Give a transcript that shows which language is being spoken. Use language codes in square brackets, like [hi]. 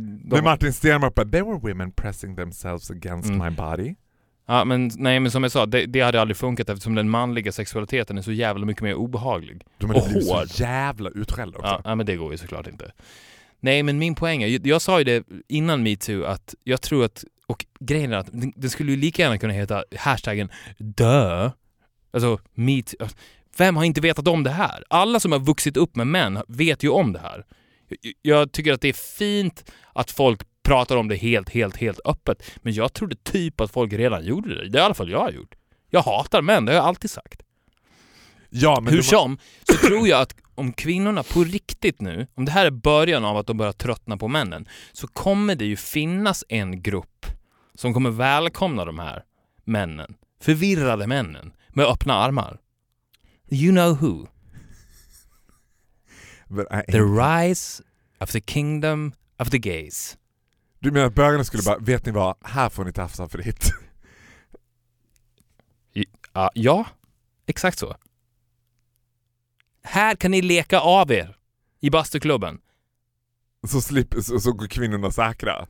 [sv] Det är [en] Martin Stenmark, but there were women pressing themselves against my body. [sv] Ja, men nej, men som jag sa, det hade aldrig funkat eftersom den manliga sexualiteten är så jävla mycket mer obehaglig. De är och hård. Så jävla utskälld också. Ja, men det går ju såklart inte. Nej, men min poäng är, jag sa ju det innan Me Too, att jag tror att, och grejen är att det skulle ju lika gärna kunna heta hashtaggen dö. Alltså, Me Too. Vem har inte vetat om det här? Alla som har vuxit upp med män vet ju om det här. Jag tycker att det är fint att folk pratar om det helt öppet. Men jag trodde typ att folk redan gjorde det. Det är i alla fall jag har gjort. Jag hatar män, det har jag alltid sagt. Ja, men hur som, så tror jag att om kvinnorna på riktigt nu, om det här är början av att de börjar tröttna på männen, så kommer det ju finnas en grupp som kommer välkomna de här männen. Förvirrade männen med öppna armar. [en] You know who? The rise of the kingdom of the gays. [sv] Du menar att bögarna skulle bara, vet ni vad, här får ni tafsa fritt. Ja, exakt så. Här kan ni leka av er i bastuklubben. Så går kvinnorna säkra.